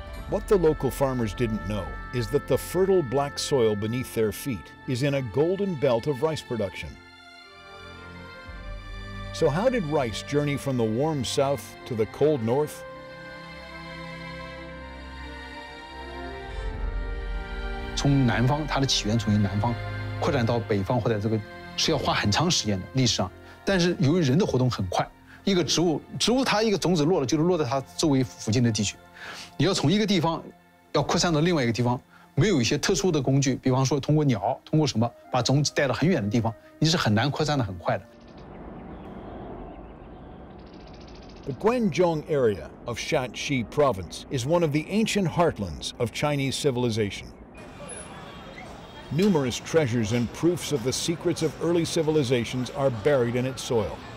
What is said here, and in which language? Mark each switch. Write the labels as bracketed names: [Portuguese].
[English] What the local farmers didn't know is that the fertile black soil beneath their feet is in a golden belt of rice production. So how did rice journey from the warm south to the cold north? From [Chinese] 南方，它的起源从于南方，扩展到北方或者这个是要花很长时间的历史上。但是由于人的活动很快，一个植物，它一个种子落了，就是落在它周围附近的地区。你要从一个地方要扩散到另外一个地方，没有一些特殊的工具，比方说通过鸟，通过什么把种子带到很远的地方，你是很难扩散的很快的。 [English] The Guangzhou area of Shaanxi province is one of the ancient heartlands of Chinese civilization. Numerous treasures and proofs of the secrets of early civilizations are buried in its soil.